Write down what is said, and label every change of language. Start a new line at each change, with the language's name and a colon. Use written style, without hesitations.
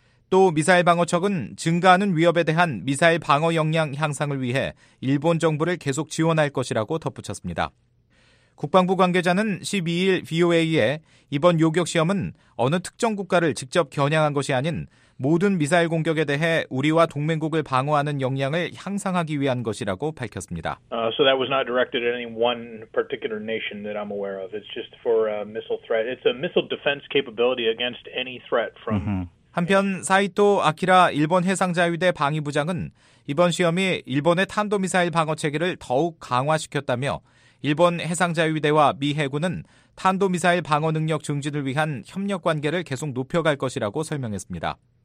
Korean: 또 미사일 방어청은 증가하는 위협에 대한 미사일 방어 역량 향상을 위해 일본 정부를 계속 지원할 것이라고 덧붙였습니다. 국방부 관계자는 12일 VOA에 이번 요격 시험은 어느 특정 국가를 직접 겨냥한 것이 아닌 모든 미사일 공격에 대해 우리와 동맹국을 방어하는 역량을 향상하기 위한 것이라고 밝혔습니다.
English: So that was not directed at any one particular nation that I'm aware of. It's just for a missile threat. It's a missile defense capability against any threat from
Korean: 한편 사이토 아키라 일본 해상자위대 방위부장은 이번 시험이 일본의 탄도미사일 방어체계를 더욱 강화시켰다며 일본 해상자위대와 미 해군은 탄도미사일 방어 능력 증진을 위한 협력관계를 계속 높여갈 것이라고 설명했습니다.